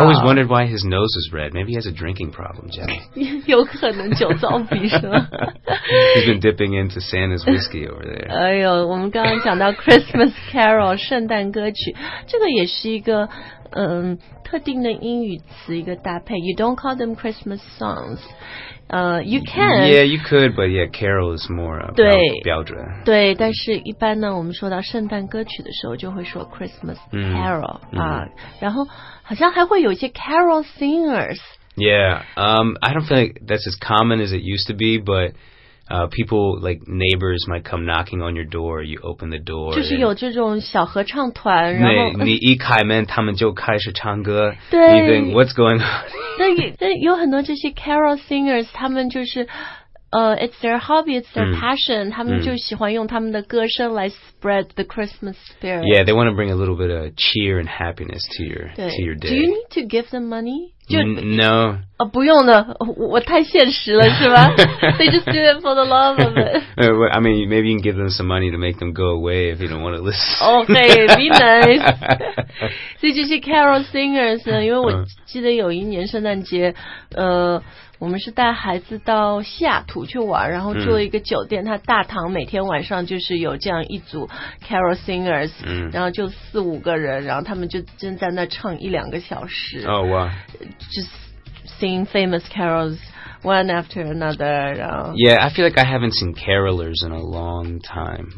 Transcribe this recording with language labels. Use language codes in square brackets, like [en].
[en] always wondered why his nose is red. Maybe he has a drinking problem, Jack. [zh] 有可能酒糟鼻是吗 [en] He's been dipping into Santa's whiskey over there. [zh] 哎呦我们刚刚讲到 [en] Christmas carol, [zh] 圣诞歌曲。这个也是一个特定的英语词一个搭配。 [en] You don't call them Christmas songs. You can. Yeah, you could, but yeah, carol is more [zh] 标准。对，但是一般呢，我们说到圣诞歌曲的时候，就会说 [en] Christmas carol [zh] 然后好像还会有一些 [en] carol singers. Yeah, I don't feel like that's as common as it used to be, but people like neighbors might come knocking on your door. You open the door. [zh] 就是有这种小合唱团，然后你一开门，他们就开始唱歌。对 [en] you think, ，What's going on? [zh] 但有很多这些 [en] carol singers [zh] 他们就是 [en] it's their hobby, it's their passion, [zh] 他们就喜欢用他们的歌声来 [en] spread the Christmas spirit. Yeah, they want to bring a little bit of cheer and happiness to your day. Do you need to give them money? No. [zh] 不用的我太现实了是吧 [en] They just do it for the love of it. I mean, maybe you can give them some money to make them go away if you don't want to listen. Okay, be nice. [zh] 所以这些 [en] carol singers [zh] 呢因为我记得有一年圣诞节我们是带孩子到西雅图去玩然后住了一个酒店他大堂每天晚上就是有这样一组 carol singers, 然后就四五个人然后他们就正在那唱一两个小时。 [en] Oh, wow. Just singing famous carols one after another. Yeah, I feel like I haven't seen carolers in a long time.